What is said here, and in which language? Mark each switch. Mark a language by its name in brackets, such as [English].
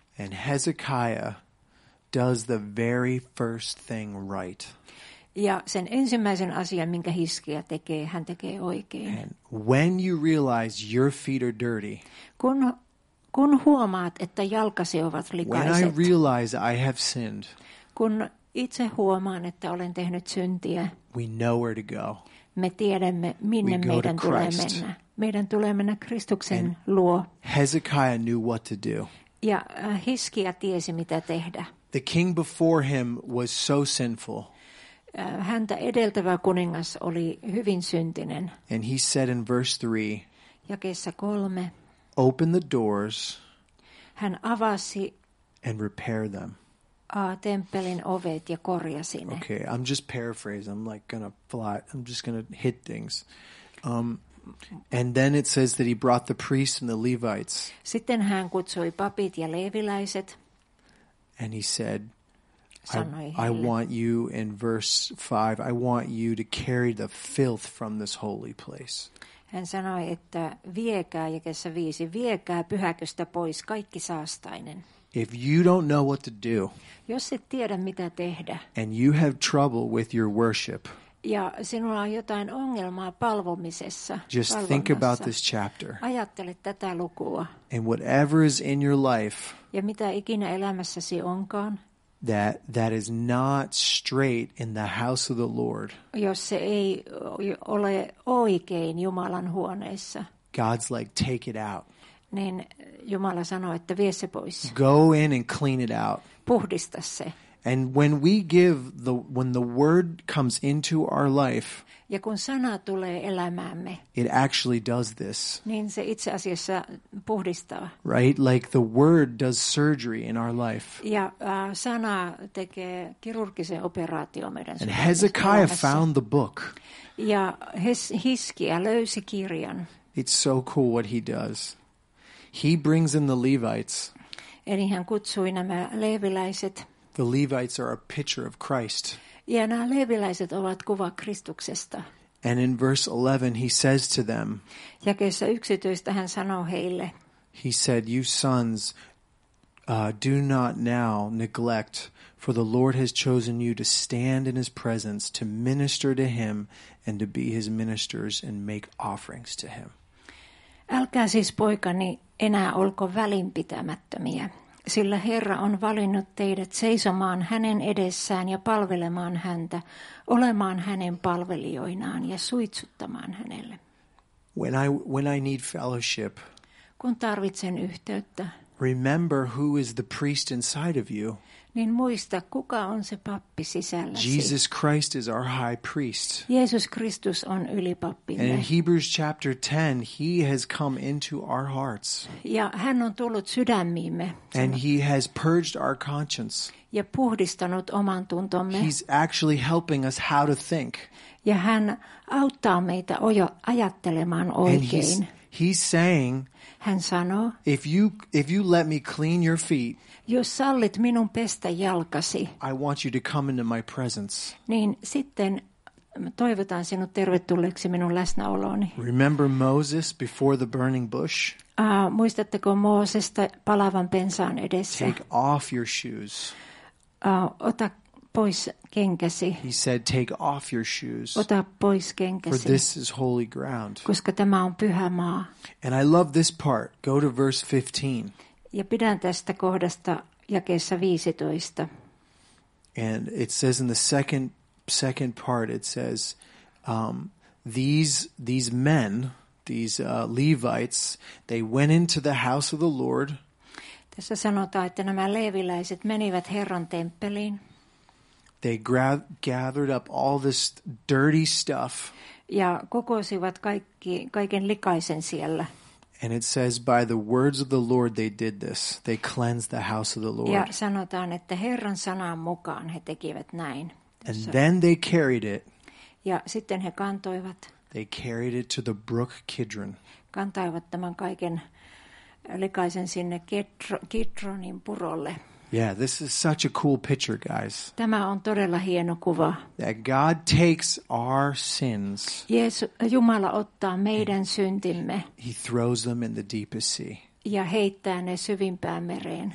[English] And Hezekiah does the very first thing right. [Finnish] Ja sen ensimmäisen asian, minkä Hiskia tekee, hän tekee oikein. [English] And when you realize your feet are dirty, [Finnish] kun huomaat, että jalkasi ovat likaiset, [English] when I realize I have sinned, [Finnish] kun itse huomaan, että olen tehnyt syntiä, [English] we know where to go. [Finnish] Me tiedämme, minne [English] we [Finnish] meidän [English] go [Finnish] tulee [English] to Christ. [Finnish] Mennä. Meidän tulee mennä Kristuksen [English] and [Finnish] luo. [English] Hezekiah knew what to do. [Finnish] Ja Hiskia tiesi, mitä tehdä. [English] The king before him was so sinful. [Finnish] Häntä edeltävä kuningas oli hyvin syntinen. [English] And he said in verse 3. [Finnish] Jakeessa 3. [English] Open the doors. [Finnish] Hän avasi [English] and repair them. [Finnish] Temppelin ovet ja korjasi ne. [English] Okay, I'm just paraphrasing. I'm like gonna fly. I'm just gonna hit things. And then it says that he brought the priests and the Levites. [Finnish] Sitten hän kutsui papit ja leeviläiset. [English] And he said, I want you in verse 5. I want you to carry the filth from this holy place. [Finnish] Hän sanoi, että viekää, jakessa 5, viekää pyhäköstä pois kaikki saastainen. [English] If you don't know what to do, [Finnish] jos et tiedä mitä tehdä, [English] and you have trouble with your worship, [Finnish] ja sinulla on jotain ongelmaa palvomisessa, [English] just think about this chapter. [Finnish] Ajattele tätä lukua. [English] And whatever is in your life, [Finnish] ja mitä ikinä elämässäsi onkaan, [English] that is not straight in the house of the Lord. [Finnish] Jos se ei ole oikein Jumalan huoneessa. [English] God's like, take it out. [Finnish] Niin Jumala sanoo, että vie se pois. [English] Go in and clean it out. [Finnish] Puhdista se. [English] And when we give the when the word comes into our life, [Finnish] ja kun sana tulee elämäämme, [English] it actually does this. [Finnish] Niin se itse asiassa puhdistaa. [English] Right, like the word does surgery in our life. [Finnish] Ja sana tekee kirurgisen operaatio meidän. [English] And Hezekiah found the book. [Finnish] Ja Hiskia löysi kirjan. [English] It's so cool what he does. He brings in the Levites. [Finnish] Eli hän kutsui nämä leeviläiset. [English] The Levites are a picture of Christ. [Finnish] Ja nämä leeviläiset ovat kuva Kristuksesta. [English] And in verse 11 he says to them. [Finnish] Jakeessa 11 hän sanoo heille. [English] He said, "You sons, do not now neglect, for the Lord has chosen you to stand in his presence to minister to him and to be his ministers and make offerings to him." [Finnish] Älkää siis poikani enää olko välinpitämättömiä. Sillä Herra on valinnut teidät seisomaan hänen edessään ja palvelemaan häntä, olemaan hänen palvelijoinaan ja suitsuttamaan hänelle. [English] When I need fellowship, [Finnish] kun tarvitsen yhteyttä, [English] remember who is the priest inside of you. [Finnish] Niin muista, kuka on se pappi sisälläsi. [English] Jesus Christ is our high priest. [Finnish] Jeesus Kristus on ylipappimme. [English] And in Hebrews chapter 10, he has come into our hearts. [Finnish] Ja hän on tullut sydämiimme. [English] And he has purged our conscience. [Finnish] Ja puhdistanut oman tuntomme. [English] He's actually helping us how to think. [Finnish] Ja hän auttaa meitä ajattelemaan oikein. [English] He's saying, [Finnish] hän sanoo, [English] if you let me clean your feet, [Finnish] jos sallit minun pestä jalkasi, [English] I want you to come into my presence. [Finnish] Niin sitten toivotan sinut tervetulleeksi minun läsnäolooni. [English] Remember Moses before the burning bush? [Finnish] Muistatteko Moosesta palavan pensaan edessä? [English] Take off your shoes. [Finnish] Ota pois kenkäsi. [English] He said, take off your shoes. [Finnish] Ota pois kenkäsi. [English] For this is holy ground. [Finnish] Koska tämä on pyhä maa. [English] And I love this part. Go to verse 15. [Finnish] Ja pidän tästä kohdasta jakeessa 15. [English] And it says in the second part, it says, these men, these Levites, they went into the house of the Lord. [Finnish] Tässä sanotaan, että nämä leeviläiset menivät Herran temppeliin. [English] They gathered up all this dirty stuff. [Finnish] Ja kokosivat kaiken likaisen siellä. [English] And it says, by the words of the Lord, they did this. They cleansed the house of the Lord. [Finnish] Ja sanotaan, että Herran sanan mukaan he tekivät näin. [English] And then they carried it. [Finnish] Ja sitten he kantoivat. [English] They carried it to the brook Kidron. [Finnish] Kantoivat tämän kaiken likaisen sinne Kidronin purolle. [English] Yeah, this is such a cool picture, guys. [Finnish] Tämä on todella hieno kuva. [English] That God takes our sins. [Finnish] Jumala ottaa meidän syntimme. [English] He throws them in the deepest sea. [Finnish] Ja heittää ne syvimpään mereen.